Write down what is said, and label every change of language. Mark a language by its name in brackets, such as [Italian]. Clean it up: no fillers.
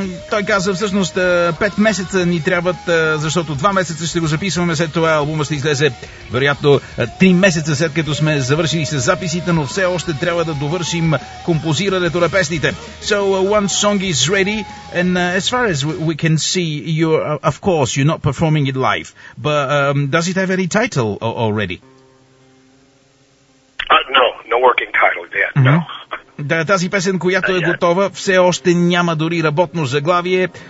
[Bulgarian] Той каза всъщност 5 месеца ни трябват, защото 2 месеца ще го записваме, след това албумът ще излезе вероятно 3 месеца след като сме завършили с записите, но все още трябва да довършим композирането на песните. [English] So one song is ready, and as far as we can see, you're of course you're not performing it live, but does it have any title already? No working title yet. Mm-hmm. No. [Bulgarian] Да, тази песен, която е готова, все още няма дори работно заглавие.